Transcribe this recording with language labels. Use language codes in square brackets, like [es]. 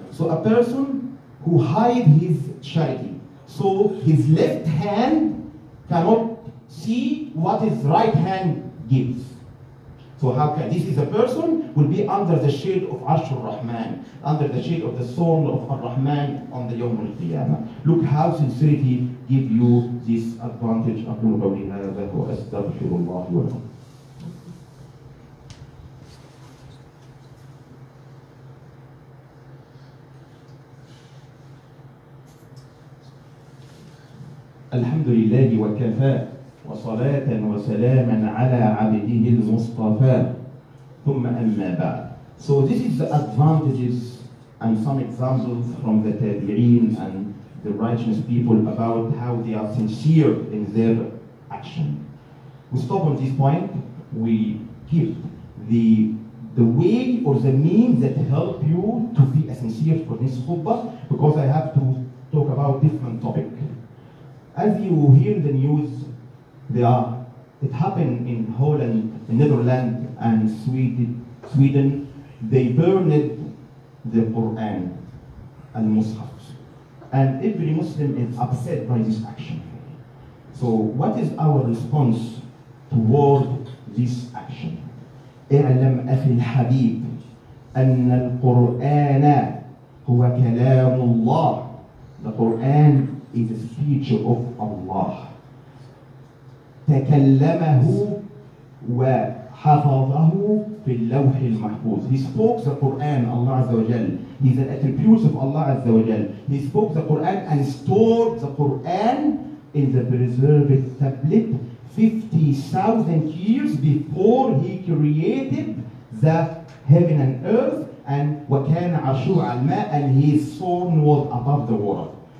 [en] So a person who hide his charity, so his left hand cannot see what his right hand gives. So how can this is a person will be under the shade of Arsh al-Rahman, under the shade of the soul of al-Rahman on the Yawm al-Qiyamah. Look how sincerity give you this advantage. [ar] أقول قولي هذا وأستغفر الله لكم. الحمد لله وكفى وصلاة وسلاما على عبده المصطفى. ثم أما بعد. [en] So this is the advantages and some examples from the tabi'in and the righteous people about how they are sincere in their action. We stop on this point. We give the way or the means that help you to be a sincere for this khutbah, because I have to talk about different topic. As you hear the news, it happened in Holland, in Netherlands, and Sweden, they burned the Quran, al-Mus'haf. And every Muslim is upset by this action. So what is our response toward this action? [ar] اعلم أخي الحبيب أن القرآن هو كلام الله. [en] The Quran is a speech of Allah. [ar] تكلمه وحفظه في اللوح المحفوظ. [en] He spoke the Quran, Allah Azza wa Jal. He's an attribute of Allah Azza wa Jal. He spoke the Quran and stored the Quran in the preserved tablet 50,000 years before he created the heaven and earth, and [ar] وكان عشور الماء, [en] and his throne was above the water.